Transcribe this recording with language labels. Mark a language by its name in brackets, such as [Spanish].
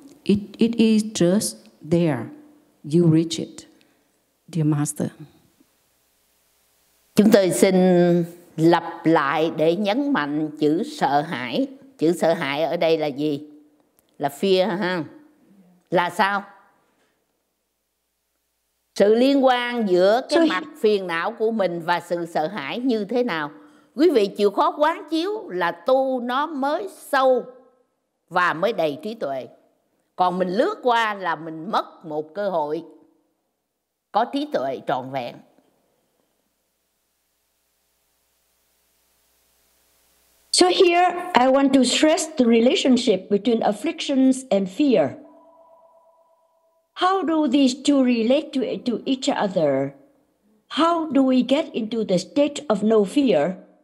[English] It is just there, you reach it, dear Master. [Vietnamese] Chúng tôi xin lặp lại để nhấn mạnh chữ sợ hãi. Chữ sợ hãi ở đây là gì? Là fear, ha? Là sao? Sự liên quan giữa cái mặt phiền não của mình và sự sợ hãi như thế nào? Quý vị chịu khó quán chiếu là tu nó mới sâu và mới đầy trí tuệ. Còn mình lướt qua là mình mất một cơ hội có trí tuệ trọn vẹn. [English] So here, I want to stress the relationship between afflictions and fear. How do these two relate to each other? How do we get into the state of no fear?